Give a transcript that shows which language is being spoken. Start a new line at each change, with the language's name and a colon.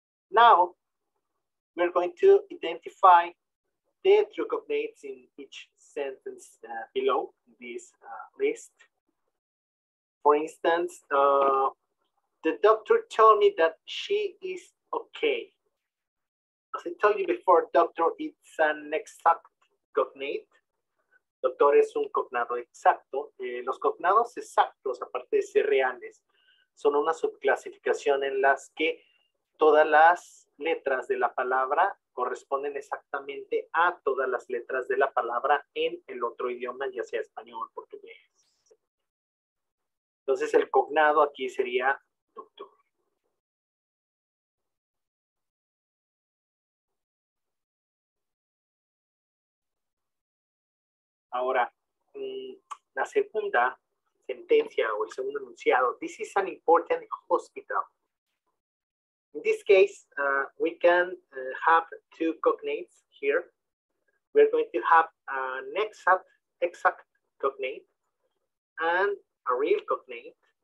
English: Now, we're going to identify the true cognates in each sentence below this list. For instance, the doctor told me that she is okay. As I told you before, doctor, it's an exact cognate.
Spanish: Doctor es un cognado exacto. Los cognados exactos, aparte de ser reales, son una subclasificación en las que todas las letras de la palabra corresponden exactamente a todas las letras de la palabra en el otro idioma, ya sea español o portugués. Entonces, el cognado aquí sería doctor. Ahora, la segunda sentencia o el segundo enunciado.
English: This is an important hospital. In this case, we can have two cognates here. We're going to have an exact cognate and a real cognate.